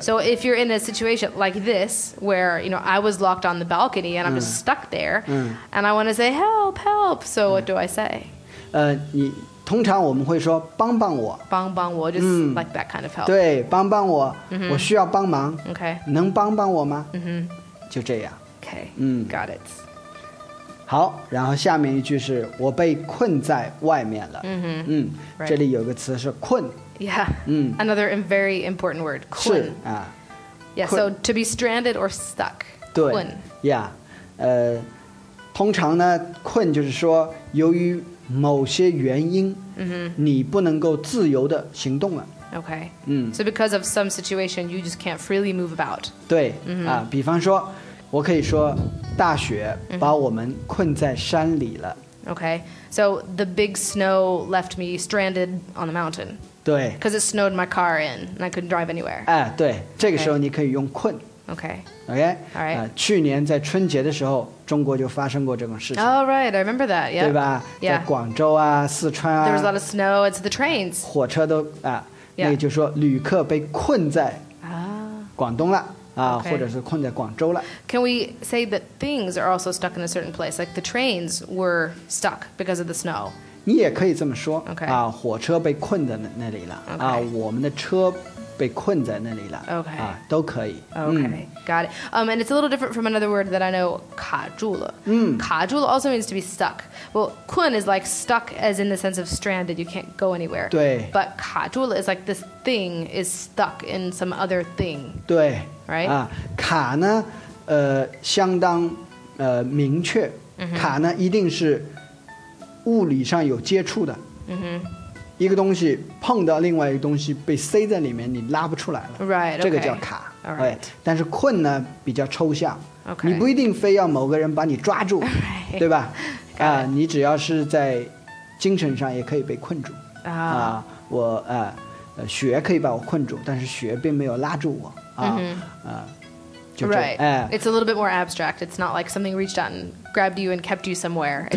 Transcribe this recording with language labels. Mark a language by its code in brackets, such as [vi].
[en] So if you're in a situation like this Where you know I was locked on the balcony And I'm just stuck there、And I want to say help help So、what do I say [zh] 你通常我们会说帮帮我帮帮我 [en] Just like that kind of help [zh] 对帮帮我、我需要帮忙 [en] OK [zh] 能帮帮我吗、就这样 [en] OK、Got it [zh] 好然后下面一句是我被困在外面了、 [en] right. [zh] 这里有个词是困 [en] Yeah、Another very important word 困 [zh] 是、 [en] Yeah 困 so to be stranded or stuck [zh] 对困 Yeah、通常呢困就是说由于某些原因、你不能够自由的行动了 [en] OK、So because of some situation You just can't freely move about [zh] 对、比方说我可以说大雪把我们困在山里了 [en] OK So the big snow left me stranded on the mountain [zh] 对 [en] Because it snowed my car in And I couldn't drive anywhere [zh] 对这个时候你可以用困 [en] OK [zh] Alright、去年在春节的时候中国就发生过这种事情 [en] Oh right I remember that、yeah. [zh] 对吧、 [en] yeah. [zh] 在广州啊四川啊 [en] There was a lot of snow It's the trains [zh] 火车都、那个就说旅客被困在广东了、 [en] okay. [zh] 或者是困在广州了 [en] Can we say that things are also stuck in a certain place Like the trains were stuck because of the snow [zh] 你也可以这么说、 [en] okay. [zh] 火车被困在那里了、 [en] okay. [zh] 我们的车被困在那里了 [en] OK、 [zh] 都可以 [en] OK、Got it、And it's a little different from another word that I know 卡住了、卡住了 also means to be stuck Well 困 is like stuck as in the sense of stranded You can't go anywhere [zh] 对 [en] But 卡住了 is like this thing is stuck in some other thing [zh] 对 [en] Right、 [zh] 卡呢、相当、明确、卡呢一定是物理上有接触的一个东西碰到另外一个东西被塞在里面你拉不出来了 [en] right,、okay. [zh] 这个叫卡、 [en] right. [zh] 但是困呢比较抽象、 [en] okay. [zh] 你不一定非要某个人把你抓住、 [en] right. [zh] 对吧、你只要是在精神上也可以被困住、我、雪可以把我困住但是雪并没有拉住我、就这、 [en] right. It's a little bit more abstract It's not like something reached out and grabbed you and kept you somewhere It's